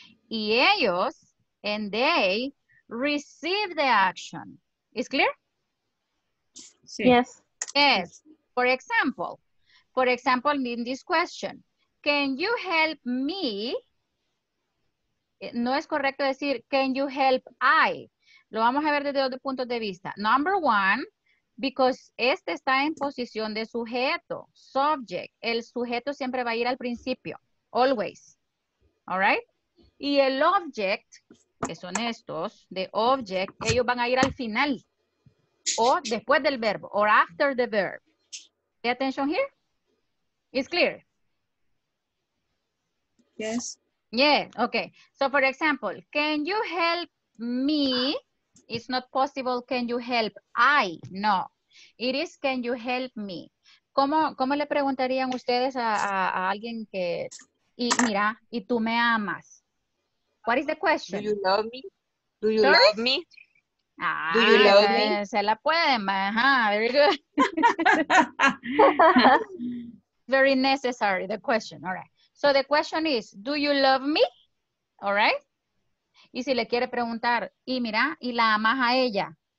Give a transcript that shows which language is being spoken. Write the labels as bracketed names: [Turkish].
[Spanish] Y ellos, [English] and they, receive the action. Is clear? [Spanish] Sí. [English] Yes. Yes. For example, in this question, can you help me? [Spanish] No es correcto decir, [English] can you help I? [Spanish] Lo vamos a ver desde dos puntos de vista. [English] Number one, [Spanish] because este está en posición de sujeto, subject. El sujeto siempre va a ir al principio, [English] always. All right? [Spanish] Y el object, que son estos, [English] the object, [Spanish] ellos van a ir al final. O después del verbo, [English] or after the verb. Pay attention here. It's clear? Yes. Yeah, okay. So for example, can you help me? It's not possible, can you help I? No. It is, can you help me? [Spanish] ¿Cómo le preguntarían ustedes a alguien que, y mira, y tú me amas? [English] What is the question? Do you love me? Do you love me? Ah, do you love me? [Spanish] Se la pueden, ajá, [English] very good. Very necessary, the question, all right. So the question is, do you love me? All right? [Spanish] Y si le quiere preguntar, y mira, ¿y la amas a ella?